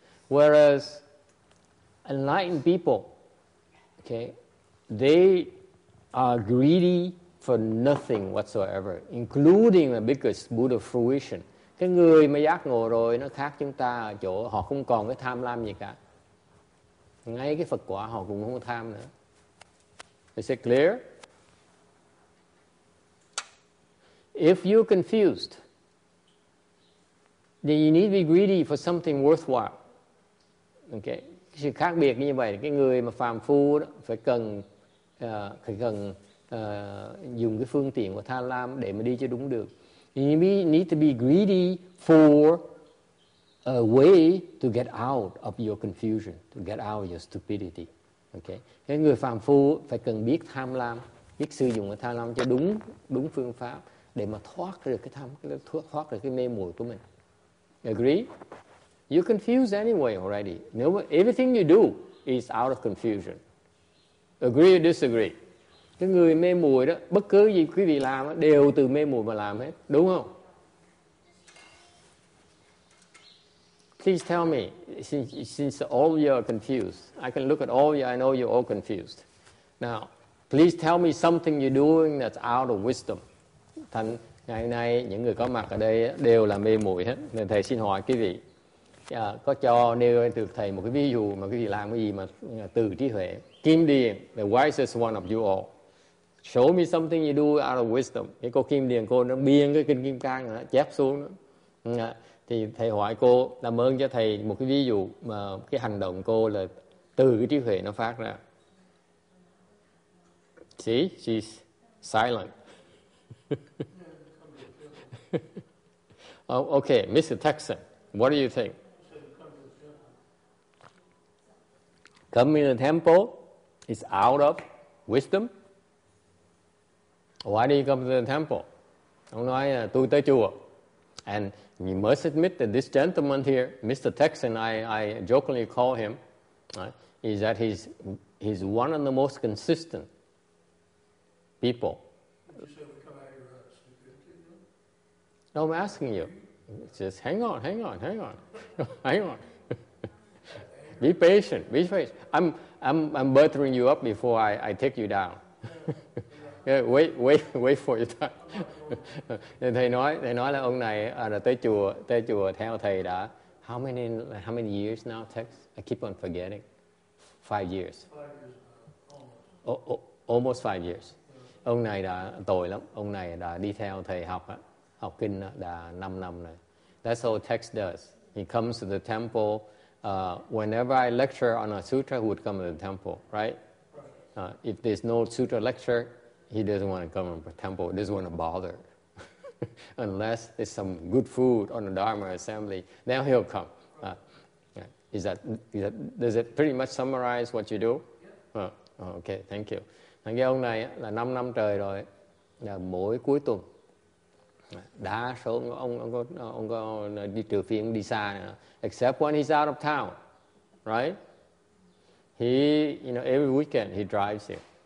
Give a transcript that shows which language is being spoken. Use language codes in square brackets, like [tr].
[en] Whereas enlightened people, okay, they are greedy for nothing whatsoever, including the biggest Buddha fruition. [vi] Cái người mà giác ngộ rồi nó khác chúng ta ở chỗ họ không còn cái tham lam gì cả. Ngay cái Phật quả họ cũng không tham nữa. [en] Is it clear? If you're confused, then you need to be greedy for something worthwhile. Okay. [vi] Cái sự khác biệt như vậy, cái người mà phàm phu đó phải cần dùng cái phương tiện của tham lam để mà đi cho đúng được. [en] You need to be greedy for a way to get out of your confusion, to get out of your stupidity. Okay. [vi] Cái người phàm phu phải cần biết tham lam, biết sử dụng cái tham lam cho đúng phương pháp để mà thoát được cái tham, thoát được cái mê muội của mình. [en] Agree? You're confused anyway already. No, everything you do is out of confusion. Agree or disagree? [vi] Cái người mê muội đó, bất cứ gì quý vị làm đều từ mê muội mà làm hết, đúng không? [en] Please tell me, since all of you are confused, I can look at all of you, I know you're all confused. Now, please tell me something you're doing that's out of wisdom. [vi] Thành ngày hôm nay, những người có mặt ở đây đều là mê muội hết. Nên thầy xin hỏi quý vị, có cho nêu từ thầy một cái ví dụ mà quý vị làm cái gì mà từ trí huệ. [en] Kim Điền, the wisest one of you all. Show me something you do out of wisdom. [vi] Cái cô Kim Điền, cô nó biên cái kinh Kim Cang đó, chép xuống đó. Thì thầy hỏi cô, làm ơn cho thầy một cái ví dụ mà cái hành động cô là từ cái trí huệ nó phát ra. [en] See, she's silent. Oh, okay, Mr. Texan, what do you think? Come in the temple is out of wisdom. Why do you come to the temple? [vi] Ông nói tôi tới chùa. [en] And you must admit that this gentleman here, Mr. Texan, I jokingly call him, right, is that he's one of the most consistent people. No, I'm asking you. Just hang on. Be patient. Be patient. I'm buttering you up before I take you down. Yeah, wait for your time. [vi] thầy nói là ông này là tới chùa theo thầy đã [en] how many years now, Tex? I keep on forgetting. 5 years. Almost 5 years. [vi] Ông này đã tồi lắm. Ông này đã đi theo thầy học kinh đã 5 năm rồi. [en] That's all Tex does. He comes to the temple. Whenever I lecture on a sutra, he would come to the temple, right? If there's no sutra lecture, he doesn't want to come to the temple. He doesn't want to bother. Unless there's some good food on the Dharma assembly, then he'll come. Does it pretty much summarize what you do? Okay, thank you. [vi] Thằng ông này là 5 năm trời rồi, mỗi cuối tuần, đa số ông có đi trừ phi ông đi xa nữa. [en] Except when he's out of town, right? He, you know, every weekend he drives here.